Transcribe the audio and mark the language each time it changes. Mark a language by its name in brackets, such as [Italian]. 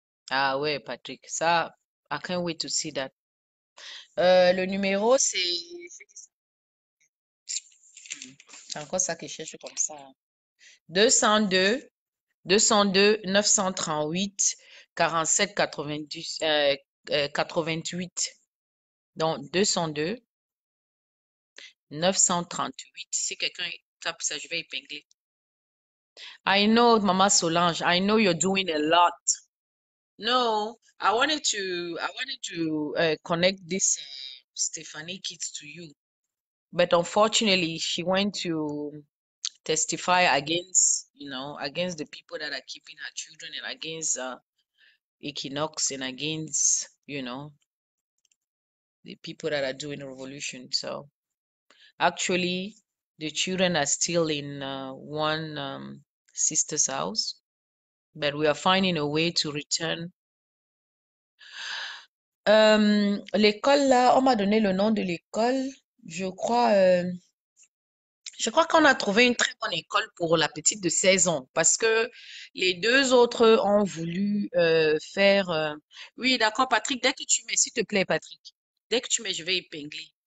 [French] Ah ouais, [English] Patrick, ça, I can't wait to see that. [French] Le numéro, c'est encore ça que je cherche comme ça. 202 202 938 47 90 88. Donc 202 938. Si quelqu'un tape ça, je vais épingler. [English] I know, Mama Solange, I know you're doing a lot. No, I wanted to connect this Stephanie Kids to you. But unfortunately, she went to testify against, against the people that are keeping her children and against Equinox and against, the people that are doing revolution. So actually, the children are still in one sister's house, but we are finding a way to return. [French] L'école là, on m'a donné le nom de l'école. Je crois qu'on a trouvé une très bonne école pour la petite de 16 ans parce que les deux autres ont voulu faire. Oui, d'accord, Patrick, dès que tu mets, s'il te plaît, Patrick, dès que tu mets, je vais épingler.